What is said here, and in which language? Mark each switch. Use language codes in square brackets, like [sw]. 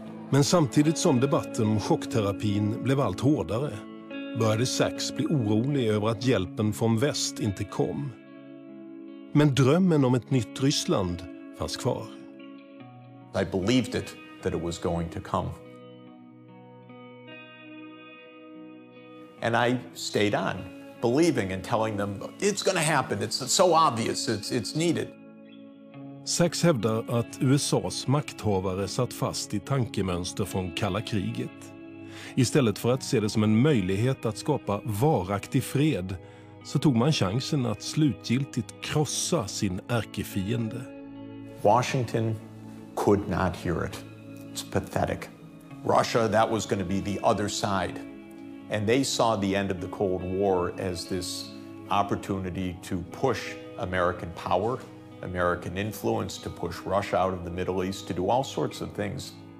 [sv] Men samtidigt som debatten om chockterapin blev allt hårdare började Sachs bli orolig över att hjälpen från väst inte kom. Men drömmen om ett nytt Ryssland fanns kvar. [en] I believed it that it was going to come. And I stayed on. Believing and telling them it's going to happen, it's so obvious, it's needed. [sv] Sachs hävdar att USA:s makthavare satt fast i tankemönster från kalla kriget. Istället för att se det som en möjlighet att skapa varaktig fred så tog man chansen att slutgiltigt krossa sin ärkefiende. [en] Washington could not hear it. It's pathetic. Russia, that was going to be the other side. And they saw the end of the Cold War as this opportunity to push American power, American influence, to push Russia out of the Middle East, to do all sorts of things.